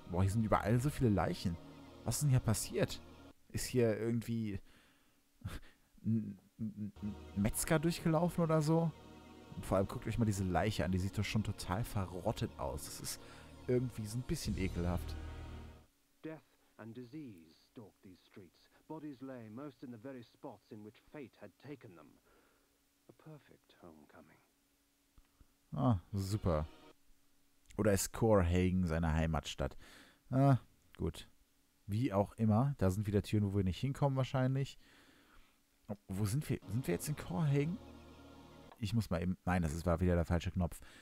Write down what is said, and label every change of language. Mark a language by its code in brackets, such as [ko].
[de] Boah, hier sind überall so viele Leichen. Was ist denn hier passiert? Ist hier irgendwie... ein Metzger durchgelaufen oder so? Und vor allem guckt euch mal diese Leiche an. Die sieht doch schon total verrottet aus. Das ist... irgendwie so ein bisschen ekelhaft. [en] Death and disease stalked these streets. Bodies lay most in the very spots in which fate had taken them. A perfect homecoming. [de] Ah, super. Oder ist Corhagen seine Heimatstadt? Ah, gut. Wie auch immer, da sind wieder Türen, wo wir nicht hinkommen wahrscheinlich. Wo sind wir? Sind wir jetzt in Corhagen? Ich muss mal eben... Nein, das war wieder der falsche Knopf.